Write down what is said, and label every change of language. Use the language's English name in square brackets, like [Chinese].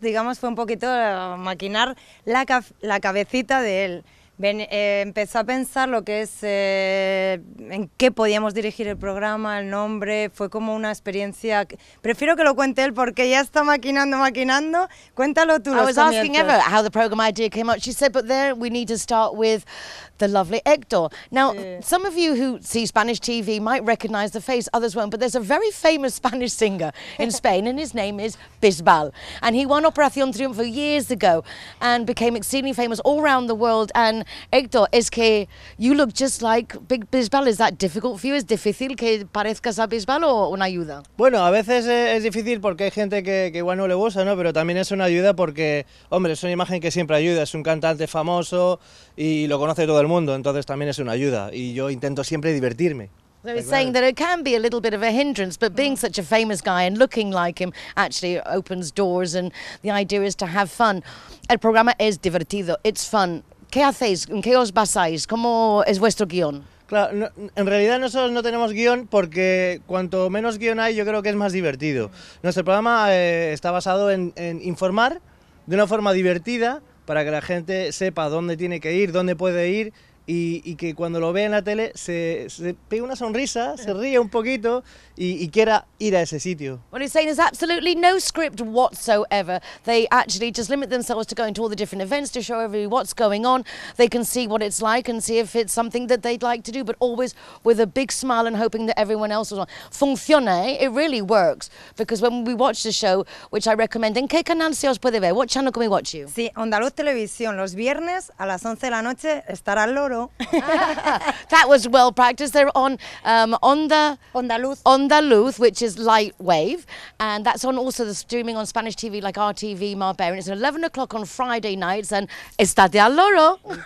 [Spanish] Digamos, fue un poquito maquinar la cabecita de él. Empezó a pensar lo que es, en qué podíamos dirigir el programa, el nombre. Fue como una experiencia. Prefiero que lo cuente él porque ya está maquinando. Cuéntalo tú. [English] I was asking Eva how the program idea came up. She said, but there we need to start with the lovely Héctor. Now, sí. Some of you who see Spanish TV might recognize the face, others won't, but there's a very famous Spanish singer in Spain and his name is Bisbal. And he won Operación Triunfo years ago and became exceedingly famous all around the world. And Héctor, [Spanish] es que [English] you look just like Big Bisbal. Is that difficult for you? [Spanish] ¿Es difícil que parezcas a Bisbal o una ayuda? Bueno, a veces es difícil porque hay gente que igual no le gusta, ¿no? Pero también es una ayuda porque, hombre, es una imagen que siempre ayuda. Es un cantante famoso y lo conoce todo el mundo, entonces también es una ayuda y yo intento siempre divertirme. [English] So he's saying that it can be a little bit of a hindrance, but being such a famous guy and looking like him actually opens doors, and the idea is to have fun. [Spanish] El programa es divertido, [English] it's fun. [Spanish] ¿Qué hacéis? ¿En qué os basáis? ¿Cómo es vuestro guión? Claro, no, en realidad nosotros no tenemos guión porque cuanto menos guión hay, yo creo que es más divertido. Nuestro programa está basado en informar de una forma divertida para que la gente sepa dónde tiene que ir, dónde puede ir, y que cuando lo vea en la tele se pegue una sonrisa, se ríe un poquito y quiera ir a ese sitio. [English] What he's saying is absolutely no script whatsoever. They actually just limit themselves to going to all the different events to show everybody what's going on. They can see what it's like and see if it's something that they'd like to do, but always with a big smile and hoping that everyone else was on. Funciona, it really works, because when we watch the show, which I recommend, [Spanish] ¿en qué canal se os puede ver? [English] What channel can we watch you? [Spanish] Sí, Andaluz Televisión, los viernes a las 11 de la noche estará Loro. [English] That was well practiced. They're on Andaluz, which is light wave, and that's on also the streaming on Spanish TV like RTV, Marbella. It's 11 o'clock on Friday nights, and estate al loro.